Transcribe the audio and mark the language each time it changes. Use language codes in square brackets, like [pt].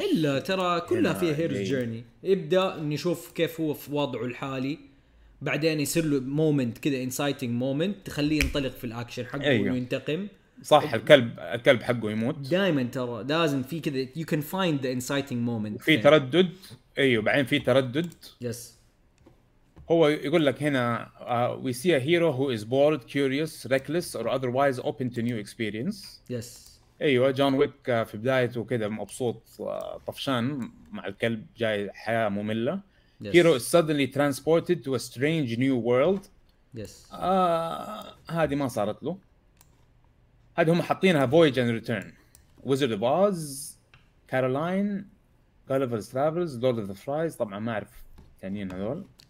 [ar] الا ترى كلها فيها هيروز جيرني. ابدا نشوف كيف هو في وضعه الحالي، بعدين يصير له مومنت كذا انسايتنج مومنت تخليه ينطلق في الاكشن حقه ايوه. وينتقم صح. الكلب حقه يموت دائما ترى لازم في كذا [en] you can find the inciting moment [ar] في تردد ايوه بعدين في تردد [en] yes [ar] هو يقول لك هنا [en] we see a hero who is bored curious reckless or otherwise open to new experience yes [ar] ايوه جون ويك في بدايته كده مبسوط طفشان مع الكلب جاي حياه ممله [en] yes. hero is suddenly transported to a strange new world yes [ar] هذه ما صارت له هذه هم حاطينها voyage and return wizard of oz caroline gulliver's travels lord of the flies طبعا ما اعرف ثانيين هذول